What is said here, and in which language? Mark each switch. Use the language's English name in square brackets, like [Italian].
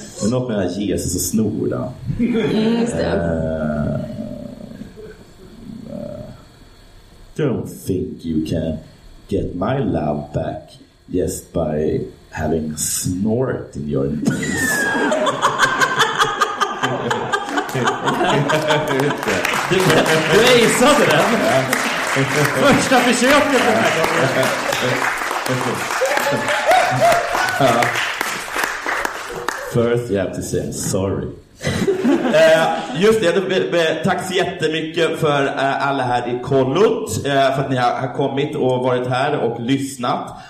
[Swedish] Något med Jesus och snor då. [English] Don't think you can get my love back just by having snort in your nose. [Swedish] Du rejsade den. Första försöket den här gången. [English] First you have to say sorry. [Swedish] Just det, tack så jättemycket för alla här i Kollot, för att ni har kommit och varit här och lyssnat.